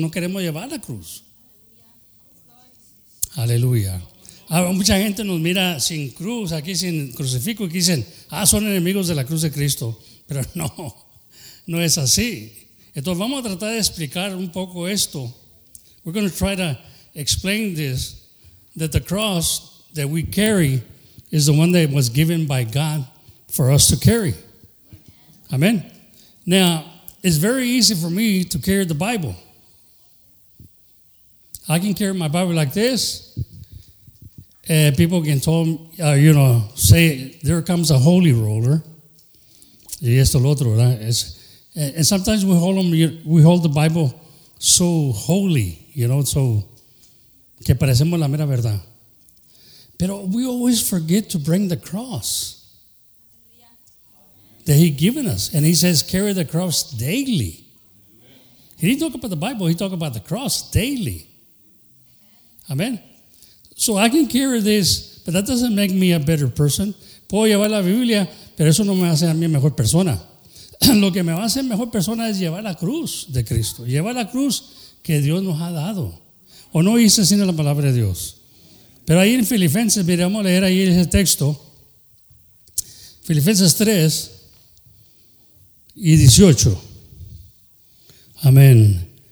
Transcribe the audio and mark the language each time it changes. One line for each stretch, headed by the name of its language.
Spanish: No queremos llevar la cruz. Aleluya. Ahora, mucha gente nos mira sin cruz, aquí sin crucifijo, y dicen, son enemigos de la cruz de Cristo. Pero no, no es así. Entonces, vamos a tratar de explicar un poco esto.
English: We're going to try to explain this, that the cross that we carry is the one that was given by God for us to carry. Amen. Now, it's very easy for me to carry the Bible. I can carry my Bible like this. People can tell me, say, there comes a holy roller.
Spanish: Y esto lo otro, ¿verdad?
English: And sometimes we hold the Bible so holy, so
Spanish: que parecemos la mera verdad. Pero
English: we always forget to bring the cross that He given us. And He says, carry the cross daily. He didn't talk about the Bible. He talked about the cross daily. Amen. So I can carry this, but that doesn't make me a better person.
Spanish: Puedo llevar la Biblia, pero eso no me hace a mí mejor persona. Lo que me va a hacer mejor persona es llevar la cruz de Cristo. Llevar la cruz que Dios nos ha dado. O no hice sino la palabra de Dios. Pero ahí en Filipenses, mire, vamos a leer ahí ese texto. Filipenses 3 y 18. Amén.